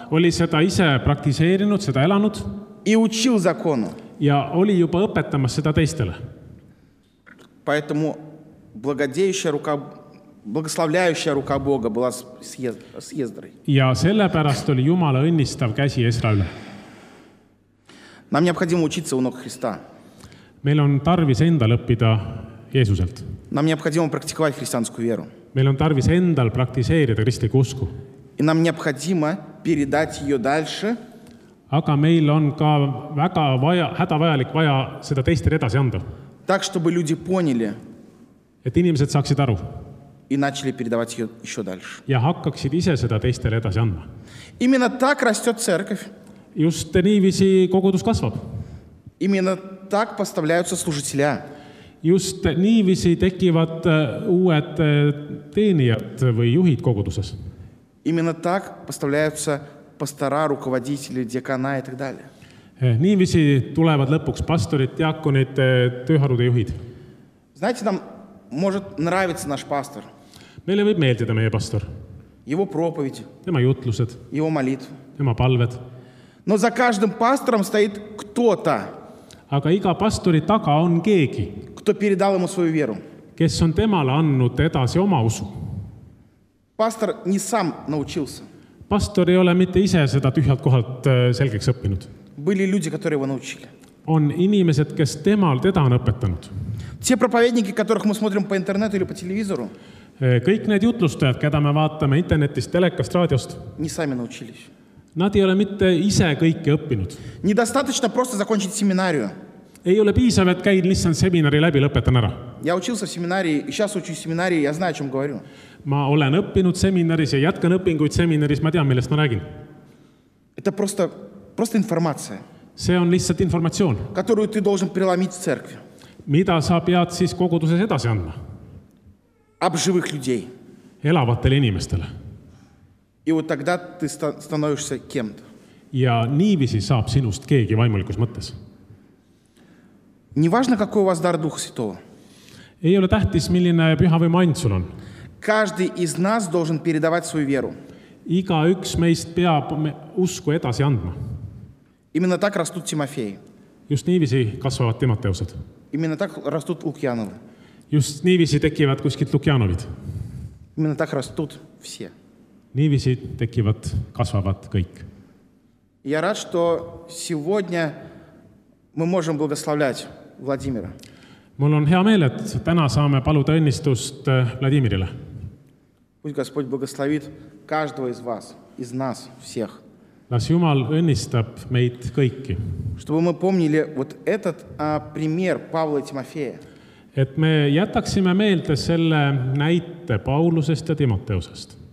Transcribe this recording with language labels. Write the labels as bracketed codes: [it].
[et] Oli seda ise praktiseerinud, seda elanud. [ru] И учил закону. [et] Ja oli juba õpetamas seda teistele. [ru] Поэтому благодеющая рука, благословляющая рука Бога была с Ездрой. [et] Ja sellepärast oli Jumala õnnistav käsi Esra üle. [ru] Нам необходимо учиться у ног Христа. [et] Meil on tarvis endal õppida Jeesuselt. [ru] Нам необходимо практиковать христианскую веру. [et] Meil on tarvis endal praktiseerida kristliku usku. [ru] И нам необходимо передать ее дальше. [et] Aga meil on ka väga hädavajalik vaja seda teistele edasi anda. [ru] Так, чтобы люди поняли. [et] Et inimesed saaksid aru. [ru] И начали передавать ее еще дальше. [et] Ja hakkaksid ise seda teistele edasi anda. [ru] Именно так растет церковь. [et] Just niivisi kogudus kasvab. [ru] Именно так поставляются служителя. [et] Just niivisi tekivad uued teenijad või juhid koguduses. [ru] Именно так поставляются пастора, руководители, диакона и так далее. [et] Niivisi tulevad lõpuks pastorid, diakonid, tööharude juhid. [ru] Знаете, нам может нравиться наш пастор. [et] Meile võib meeldida meie pastor. [ru] Его проповеди. [et] Tema jutlused. [ru] Его молитвы. [et] Tema palved. [ru] Но за каждым пастором стоит кто-то. [et] Aga iga pastori taga on keegi. [ru] Кто передал ему свою веру. [et] Kes on temale annud edasi oma usu. [ru] Пастор не сам научился. [et] Pastor ei ole mitte ise seda tühjalt kohalt selgeks õppinud. [ru] Были люди, которые его научили. [et] On inimesed, kes temal teda on õpetanud. [ru] Те проповедники, которых мы смотрим по интернету или по телевизору. [et] Kõik need jutlustajad, keda me vaatame internetist, telekast, raadiost. [ru] Не сами научились. [et] Nad ei ole mitte ise kõike õppinud. [ru] Недостаточно просто закончить семинарию. [et] Ei ole piisav, et käin lihtsalt seminari läbi lõpetan ära. [ru] Я учился в семинарии, сейчас учусь в семинарии, я знаю, о чем говорю. [et] Ma olen õppinud seminaris ja jätkan õpinguid seminaris, ma tean, millest ma räägin. [ru] Это просто информация. [et] See on lihtsalt informatsioon. [ru] Которую ты должен преломить в церкви. [et] Mida sa pead siis koguduses edasi andma? [ru] Об живых людей. [et] Elavatele inimestele. [ru] И вот тогда ты становишься кем-то. [et] Ja niivisi saab sinust keegi vaimulikus mõttes. [ru] Не важно, какой у вас дар Духа Святого. [et] Ei ole tähtis, milline püha või mind sul on. [ru] Каждый из нас должен передавать свою веру. [et] Iga üks meist peab usku edasi andma. [ru] Именно так растут Тимофеи. [et] Just niivisi kasvavad Timoteused. [ru] Именно так растут Лукьяновы. [et] Just niivisi tekivad kuskid Lukjanovid. [ru] Именно так растут все. [et] Niivisi tekivad, kasvavad kõik. [ru] Я рад, что сегодня мы можем благословлять Владимира. [et] Mul on hea meel, et täna saame paluda õnnistust Vladimirile. [ru] Пусть Господь благословит каждого из вас, из нас всех. [et] Las Jumal õnnistab meid kõiki. [ru] Чтобы мы помнили вот этот пример Павла и Тимофея. [et] Et me jätaksime meelde selle näite Paulusest ja Timoteusest.